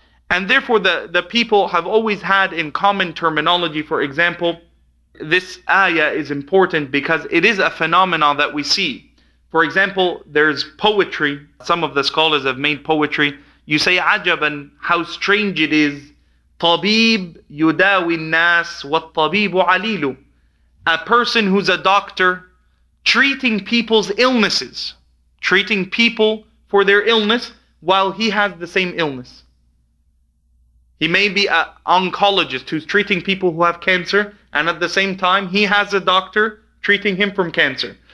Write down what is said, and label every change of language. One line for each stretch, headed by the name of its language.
English: And therefore, the people have always had in common terminology, for example, this ayah is important because it is a phenomenon that we see. For example, there's poetry. Some of the scholars have made poetry. You say, ajaban, how strange it is.
Arabic: طبيب يداوي الناس والطبيب عليل.
English: A person who's a doctor treating people's illnesses, treating people for their illness while he has the same illness. He may be an oncologist who's treating people who have cancer, and at the same time he has a doctor treating him from cancer.